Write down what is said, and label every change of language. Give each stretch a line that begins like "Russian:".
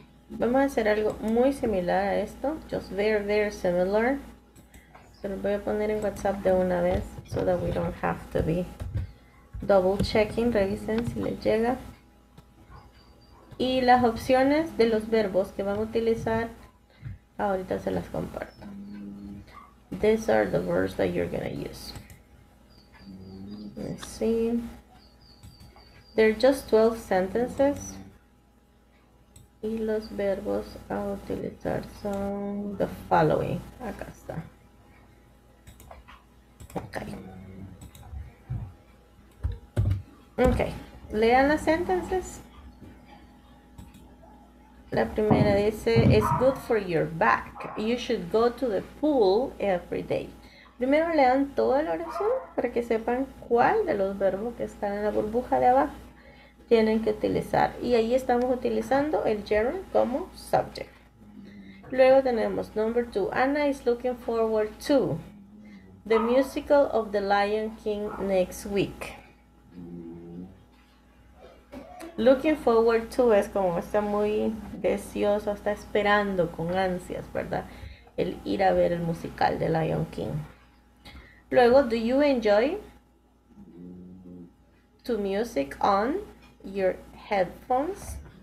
Spanish: Vamos a hacer algo muy similar a esto.
English: Just very, very similar.
Spanish: Se lo voy a poner en WhatsApp de una vez.
English: So that we don't have to be double checking.
Spanish: Revisen si les llega. Y las opciones de los verbos que van a utilizar, ahorita se las comparto.
English: These are the verbs that you're going to use. Let's see. They're just 12 sentences.
Spanish: Y los verbos a utilizar son
English: the following.
Spanish: Acá está. Okay. Lean las sentences. La primera dice,
English: it's good for your back. You should go to the pool every day.
Spanish: Primero lean toda la oración para que sepan cuál de los verbos que están en la burbuja de abajo tienen que utilizar. Y ahí estamos utilizando el gerund como subject. Luego tenemos
English: number two. Anna is looking forward to the musical of the Lion King next week.
Spanish: Looking forward to es como está muy deseoso, está esperando con ansias, ¿verdad? El ir a ver el musical de Lion King.
English: Luego, do you enjoy to music on your headphones?